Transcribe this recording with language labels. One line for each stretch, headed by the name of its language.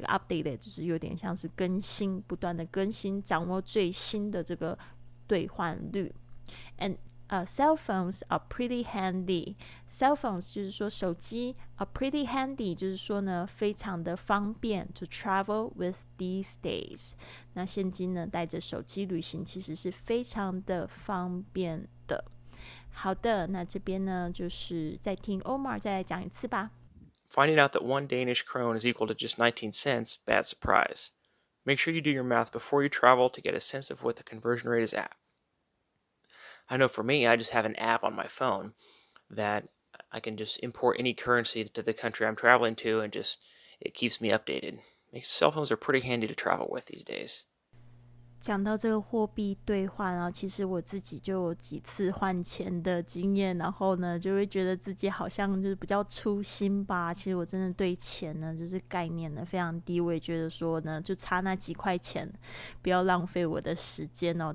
Chinese: 这个 updated 就是有点像是更新，不断的更新，掌握最新的这个兑换率。
English: And cell phones are pretty handy. Cell phones
Chinese: 就是说手机
English: are pretty handy
Chinese: 就是说呢非常的方便
English: to travel with these days.
Chinese: 那现今呢带着手机旅行其实是非常的方便的。好的，那这边呢就是再听 Omar 再来讲一次吧。
English: Finding out that one Danish krone is equal to just 19 cents, bad surprise. Make sure you do your math before you travel to get a sense of what the conversion rate is at. I know for me, I just have an app on my phone that I can just import any currency to the country I'm traveling to and just, it keeps me updated. Cell phones are pretty handy to travel with these days.
Chinese: 讲到这个货币兑换啊，其实我自己就有几次换钱的经验，然后呢，就会觉得自己好像就是比较粗心吧。其实我真的对钱呢，就是概念呢非常低，我也觉得说呢，就差那几块钱，不要浪费我的时间哦。